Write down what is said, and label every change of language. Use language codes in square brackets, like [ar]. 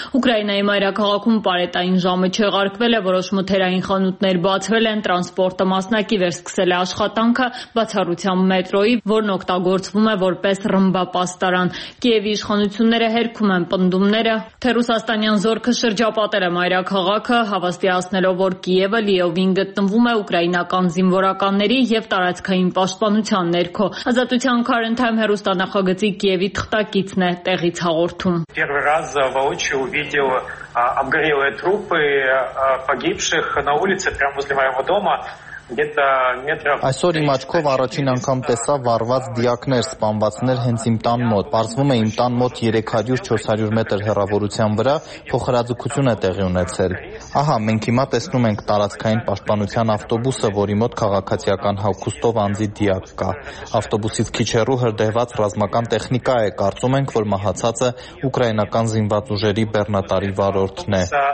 [hy] Ուկրաինայի մայրաքաղաքում պարետային ժամը չեղարկվել է, որոշ մթերային խանութներ բացվել են, տրանսպորտը մասնակի վերսկսել է աշխատանքը, բացառությամբ մետրոյի, որն օգտագործվում է որպես ռմբապաստարան։ Կիևի իշխանությունները հերքում են պնդումները, թե ռուսաստանյան զորքը շրջապատել մայրաքաղաքը, հավաստիացնելով, որ Կիևը լիովին գտնվում է ուկրաինական զինվորականների և տարածքային պաշտպանության ներքո։ Ազատության Քարենթայմ հեռուստանախագծի Կիևի թղթակիցն է տեղից հաղորդում։ [ru] Обгорелые трупы погибших на улице прямо возле моего дома. [hy] Այսօր իմ աչքով առաջին անգամ տեսա վառված դիակներ, սպանվածներ հենց իմ տան մոտ։ Պարզվում է իմ տան մոտ 300-400 մետր հեռավորության վրա փոխհրաձգություն է տեղի ունեցել։ Ահա, մենք հիմա տեսնում ենք տարածքային պաշտպանության ավտոբուսը, որի մոտ քաղաքացիական հագուստով անձի դիակ կա։ Ավտոբուսից քիչ հեռու հրդեհված ռազմական տեխնիկա է, կարծում ենք, որ մահացածը ուկրաինական զինված ուժերի բեռնատարի վարորդն է։